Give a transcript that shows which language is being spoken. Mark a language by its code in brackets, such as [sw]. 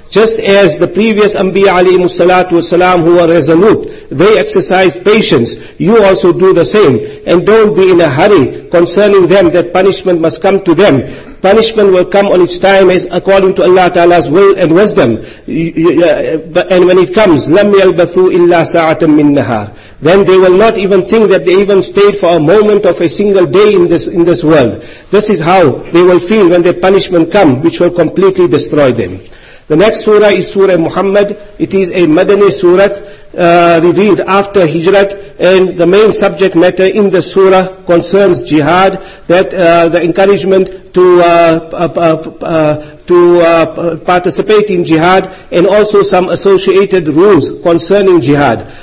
[en] Just as the previous Anbiya alayhimus salatu wasalam who were resolute, they exercised patience, you also do the same. And don't be in a hurry concerning them that punishment must come to them. Punishment will come on its time as according to Allah Ta'ala's will and wisdom. And when it comes, [ar] لَمْ يَلْبَثُوا إِلَّا سَاعَةً مِّن نَهَارٍ. [en] Then they will not even think that they even stayed for a moment of a single day in this world. This is how they will feel when their punishment come, which will completely destroy them. The next surah is Surah Muhammad. It is a Madani surah revealed after Hijrat, and the main subject matter in the surah concerns jihad, the encouragement to participate in jihad, and also some associated rules concerning jihad.